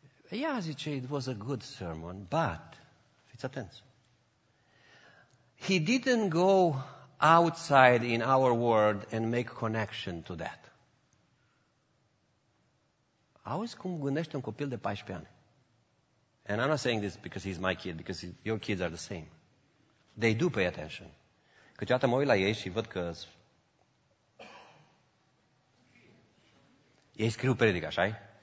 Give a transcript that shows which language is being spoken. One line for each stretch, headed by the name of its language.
English: Yeah,
Romanian: zice,
English: it was a good sermon, but,
Romanian: fiți atenți,
English: he didn't go outside in our world and make connection to that.
Romanian: Auzi cum gândește un copil de 14 ani.
English: And I'm not saying this because he's my kid, because your kids are the same. They do pay attention.
Romanian: Câteodată mă uit la ei și văd că ei scriu predică, așa-i?